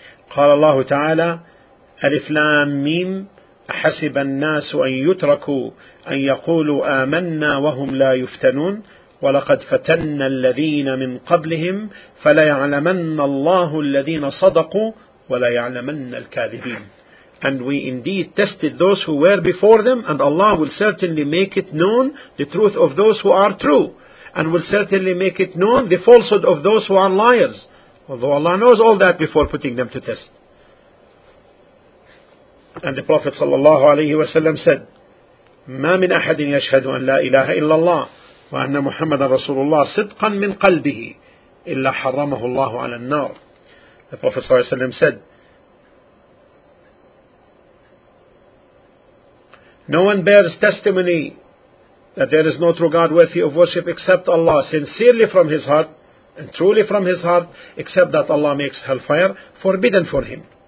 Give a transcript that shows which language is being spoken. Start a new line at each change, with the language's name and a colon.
Arabic: قال الله تعالى ألف لام ميم أحسب الناس أن يتركوا أن يقولوا آمنا وهم لا يفتنون ولقد فتنا الذين من قبلهم فليعلمن الله الذين صدقوا وليعلمن الكاذبين.
English: And we indeed tested those who were before them, and Allah will certainly make it known the truth of those who are true, and will certainly make it known the falsehood of those who are liars. Although Allah knows all that before putting them to test. And the Prophet sallallahu alaihi wasallam said,
Arabic: ما من أحد يشهد أن لا إله إلا الله وأن محمد رسول الله صدقا من قلبه إلا حرمه الله على النار.
English: The Prophet sallallahu alaihi wasallam said, no one bears testimony that there is no true God worthy of worship except Allah, sincerely from his heart and truly from his heart, except that Allah makes hellfire forbidden for him.